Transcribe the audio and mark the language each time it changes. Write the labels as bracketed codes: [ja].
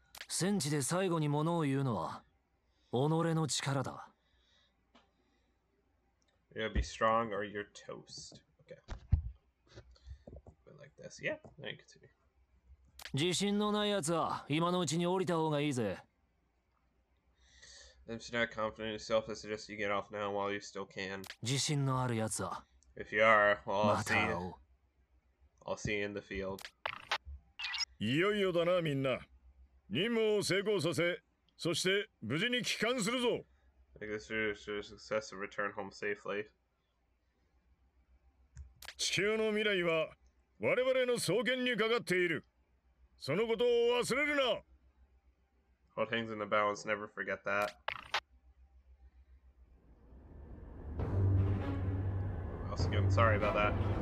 [ja] 戦地で最後に物を言うのは、己の力だ。 [en] You'll be strong or you're toast. Okay. Been like this. Yeah, now you can see. [ja] 自信のない奴は、今のうちに降りた方がいいぜ。 [en] If you're not confident in yourself, I suggest you get off now while you still can. [ja] 自信のある奴は、 [en] If you are, well, I'll see you in the field. [ja] いよいよだな、みんな。任務を成功させ、そして無事に帰還するぞ。 [en] I guess you're successful to return home safely. [ja] 地球の未来は我々の双肩にかかっている。そのことを忘れるな。 [en] What hangs in the balance, never forget that. I'm sorry about that.